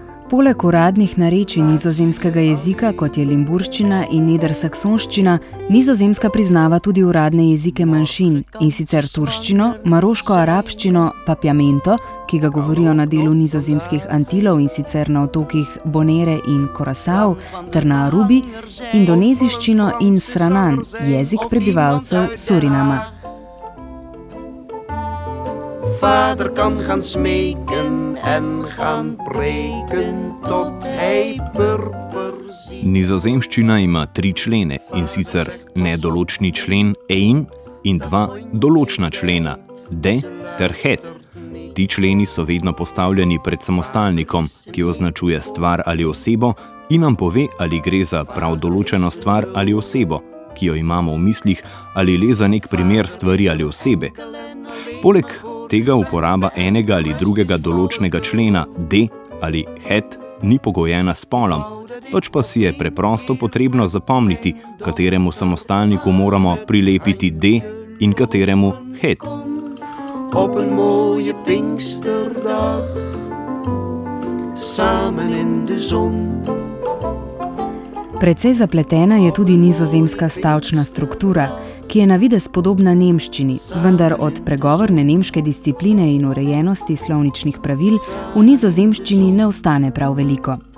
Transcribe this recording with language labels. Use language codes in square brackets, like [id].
[sl] Poleg uradnih narečij nizozemskega jezika, kot je limburščina in nedersaksonščina, Nizozemska priznava tudi uradne jezike manjšin, in sicer turščino, maroško-arabščino, papiamento, ki ga govorijo na delu nizozemskih Antilov, in sicer na otokih Bonaire in Curaçao, ter na Arubi, indoneziščino in sranan, jezik prebivalcev Surinama. [nl] Vader kan gaan smeken en gaan preken tot hij purper ziet. [sl] Nizozemščina ima tri člene, in sicer nedoločni člen ein in dva določna člena de ter het. Ti členi so vedno postavljeni pred samostalnikom, ki označuje stvar ali osebo in nam pove, ali gre za prav določeno stvar ali osebo, ki jo imamo v mislih, ali le za nek primer stvari ali osebe. Poleg tega uporaba enega ali drugega določnega člena de ali het ni pogojena s polom, pač pa si je preprosto potrebno zapomniti, kateremu samostalniku moramo prilepiti de in kateremu het. [nl] Op een mooie pinksterdag, samen in de zon. [sl] Precej zapletena je tudi nizozemska stavčna struktura, ki je na videz podobna nemščini, vendar od pregovorne nemške discipline in urejenosti slovničnih pravil v nizozemščini ne ostane prav veliko.